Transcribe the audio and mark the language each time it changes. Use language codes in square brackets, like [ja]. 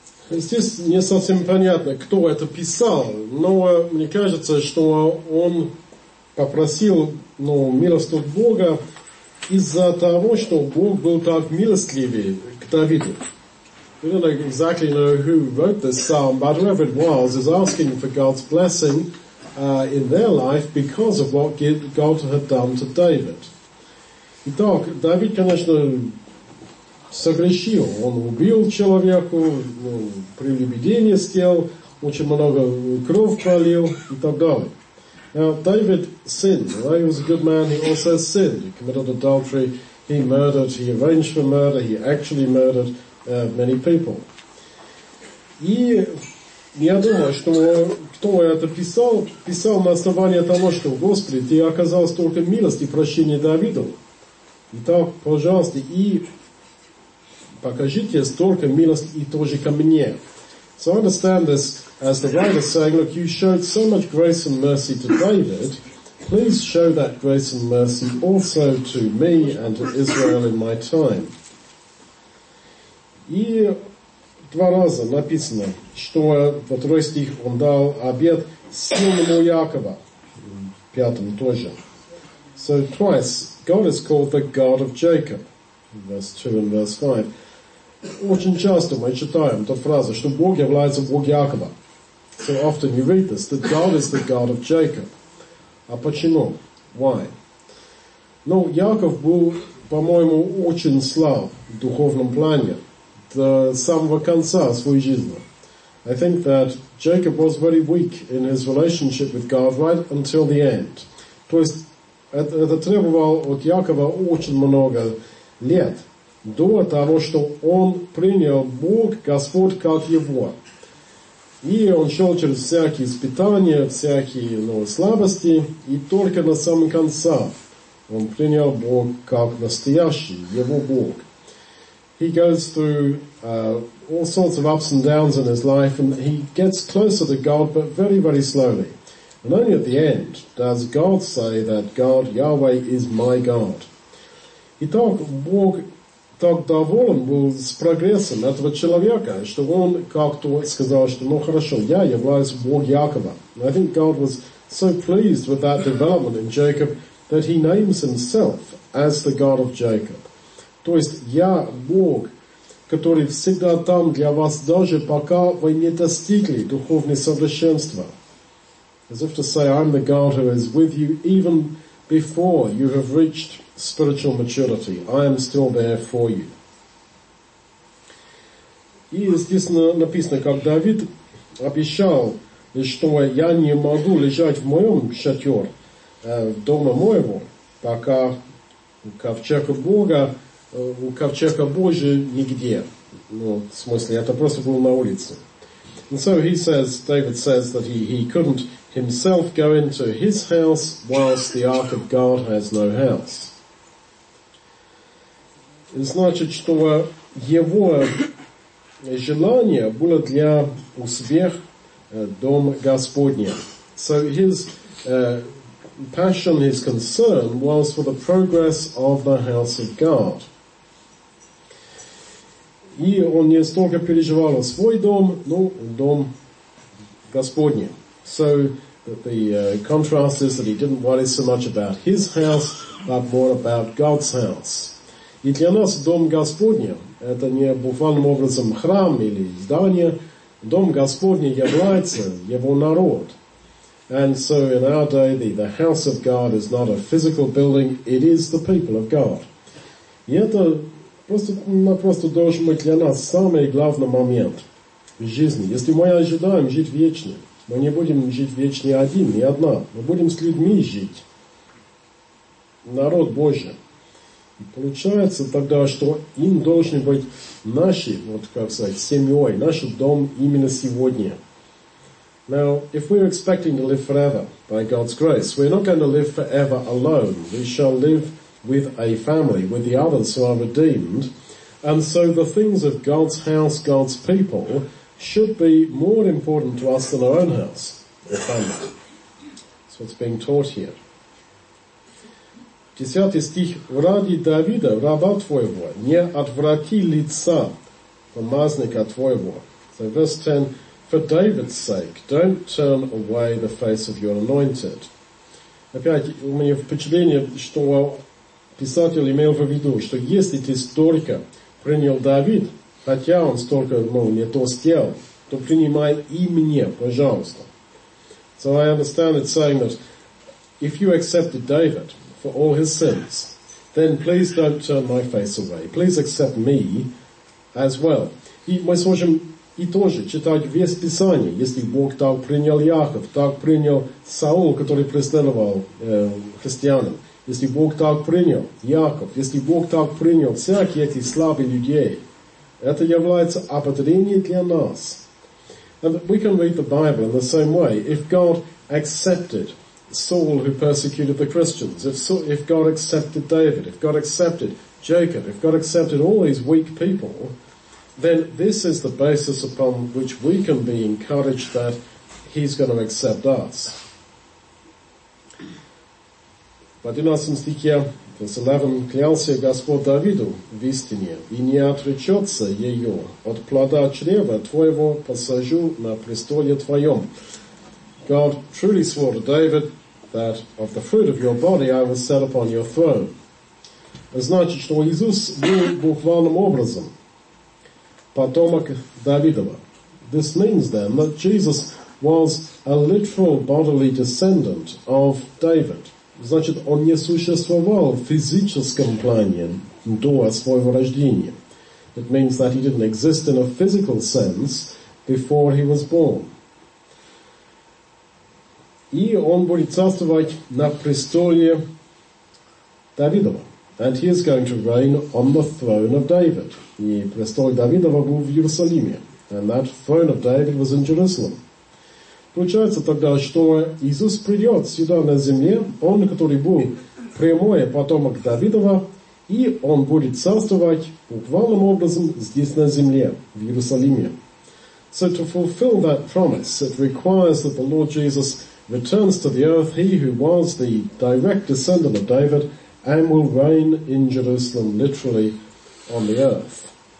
[ru] Здесь не совсем понятно, кто это писал, но мне кажется, что он попросил милости от Бога из-за того, что Бог был так милостливый к Давиду. [en] We don't know exactly who wrote this psalm, but whoever it was is asking for God's blessing in their life because of what God had done to David. [ru] Итак, Давид, конечно, согрешил. Он убил человека, прелюбодеяние сделал, очень много кровь пролил и так далее. [en] Now, David sinned. Although he was a good man, he also sinned. He committed adultery, he murdered, he arranged for murder, he actually murdered many people. [ru] И я думаю, что кто это писал, писал на основании того, что, Господи, ты оказал столько милости и прощения Давиду. Итак, пожалуйста, и покажите столько милости и тоже ко мне. [en] So I understand this as the writer saying, look, you showed so much grace and mercy to David, please show that grace and mercy also to me and to Israel in my time. [ru] И два раза написано, что во второй стих он дал обет сильному Якова, пятом тоже. [en] So twice, God is called the God of Jacob, verse 2 and verse 5. [ru] Очень часто мы читаем ту фразу, что Бог является Бог Якова. [en] So often you read this, that God is the God of Jacob. [ru] А почему? [en] Why? [ru] Ну, Яков был, по-моему, очень слаб в духовном плане до самого конца своей жизни. [en] I think that Jacob was very weak in his relationship with God right until the end. [ru] То есть это требовало от Якова очень много лет до того, что он принял Бог, Господь, как его. И он шел через всякие испытания, всякие слабости, и только на самом конце он принял Бог как настоящий, его Бог. [en] He goes through all sorts of ups and downs in his life, and he gets closer to God, but very, very slowly. And only at the end does God say that God, Yahweh, is my God. [ru] Итак, Бог так доволен был с прогрессом этого человека, что он как-то сказал, что хорошо, я являюсь Бог Якова. [en] And I think God was so pleased with that development in Jacob that he names himself as the God of Jacob. [ru] То есть, я Бог, который всегда там для вас, даже пока вы не достигли духовного совершенства. [en] As if to say, I'm the God who is with you even before you have reached spiritual maturity. I am still there for you. [ru] И здесь написано, как Давид обещал, что я не могу лежать в моем шатер, дома моего, пока ковчег Бога, у ковчега Божия нигде. В смысле, это просто было на улице. [en] And so he says, David says that he couldn't himself go into his house whilst the ark of God has no house. [ru] Это значит, что его желание было для успех дом Господня. [en] So his passion, his concern was for the progress of the house of God. [ru] И он не столько переживал свой дом, дом Господня. [en] So the contrast is that he didn't worry so much about his house, but more about God's house. [ru] И для нас дом Господня, это не буквальным образом храм или здание, дом Господня является его народ. [en] And so in our day, the house of God is not a physical building, it is the people of God. [ru] И это просто должен быть для нас самый главный момент в жизни. Если мы ожидаем жить вечно, мы не будем жить вечно один, не одна. Мы будем с людьми жить. Народ Божий. И получается тогда, что им должны быть наши, семьей, наш дом именно сегодня. [en] Now, if we're expecting to live forever by God's grace, we're not going to live forever alone. We shall live with a family, with the others who are redeemed. And so the things of God's house, God's people, should be more important to us than our own house or family. That's what's being taught here. [ru] 10 стих. «Ради Давида, раба твоего, не отврати лица помазника твоего». [en] So verse 10. «For David's sake, don't turn away the face of your anointed». [ru] Опять, у меня впечатление, что писатель имел в виду, что если ты столько принял Давид, хотя он столько, ну, не то сделал, то принимай и мне, пожалуйста. [en] So I understand it saying that if you accepted David for all his sins, then please don't turn my face away. Please accept me as well. [ru] И мы сможем и тоже читать весь Писание. Если Бог так принял Яков, так принял Саул, который преследовал христианам. Если Бог так принял Яков, если Бог так принял всякие эти слабые людей, это является ободрением для нас. [en] And we can read the Bible in the same way. If God accepted Saul who persecuted the Christians, if God accepted David, if God accepted Jacob, if God accepted all these weak people, then this is the basis upon which we can be encouraged that he's going to accept us. [ru] В 11 стихе, [en] verse 11, [ru] клялся Господь Давиду в истине, и не отречется ее от плода чрева твоего посажу на престоле твоем. [en] God truly swore to David that of the fruit of your body I will set upon your throne. [ru] Значит, что Иисус был буквальным образом потомок Давидова. [en] This means then that Jesus was a literal bodily descendant of David. [ru] Значит, он не существовал в физическом плане до своего рождения. [en] It means that he didn't exist in a physical sense before he was born. [ru] И он будет царствовать на престоле Давидова. [en] And he is going to reign on the throne of David. [ru] И престол Давидова был в Иерусалиме. [en] And that throne of David was in Jerusalem. [ru] Получается тогда, что Иисус придет сюда на земле, он, который был прямой потомок Давидова, и он будет царствовать буквальным образом здесь на земле, в Иерусалиме. [en] So to fulfill that promise, it requires that the Lord Jesus returns to the earth, he who was the direct descendant of David, and will reign in Jerusalem, literally, on the earth.